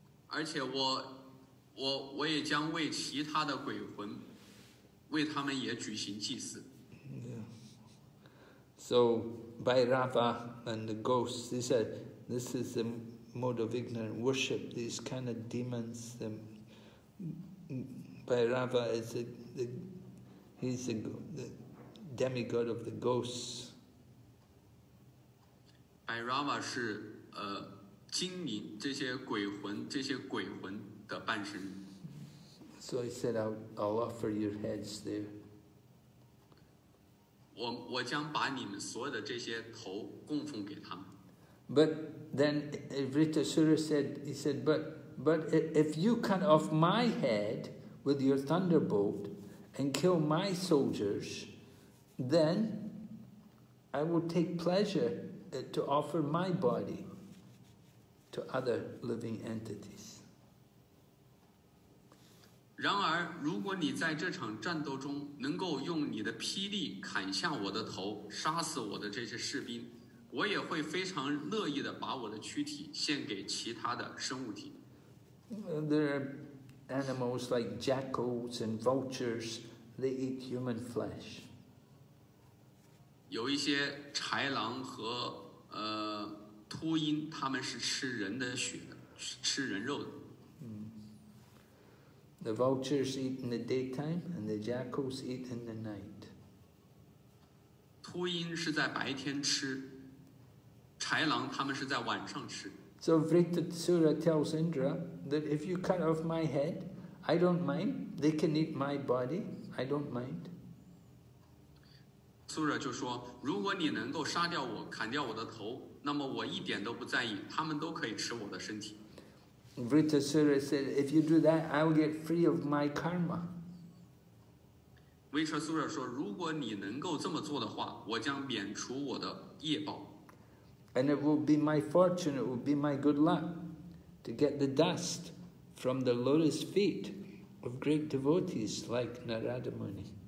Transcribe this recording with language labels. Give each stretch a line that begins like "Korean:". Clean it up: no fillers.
Chinese: 而且我也将为其他的鬼魂为他们也举行祭祀。
English: Yeah. So, Bhairava and the ghosts, this is the mode of ignorant worship, these kind of demons. Bhairava is the demigod of the ghosts.
Chinese: Bhairava 是精灵，这些鬼魂的半神。
English: So he said, I'll offer your heads there.
Chinese: 我将把你们所有的这些头供奉给他们。
English: But then Vritasura said, but if you cut off my head with your thunderbolt and kill my soldiers, then I will take pleasure to offer my body to other living entities.
Chinese: 然而如果你在这场战斗中能够用你的霹雳砍下我的头杀死我的这些士兵，我也会非常乐意的把我的躯体献给其他的生物体。
English: There are animals like jackals and vultures, they eat human flesh.
Chinese: 有一些豺狼和秃鹰，他们是吃人的血的，吃人肉的。
English: The vultures eat in the daytime, and the jackals eat in the night.
Chinese: 秃鹰是在白天吃，豺狼他们是在晚上吃。
English: So Vritasura tells Indra that if you cut off my head, I don't mind. They can eat my body. I don't mind.
Chinese: Sura 就说，如果你能够杀掉我，砍掉我的头，那么我一点都不在意，他们都可以吃我的身体。
English: Vritasura said, if you do that, I will get free of my karma.
Chinese: 威彻苏舍说，如果你能够这么做的话，我将免除我的业报。
English: And it will be my fortune, it will be my good luck to get the dust from the lotus feet of great devotees like Narada Muni.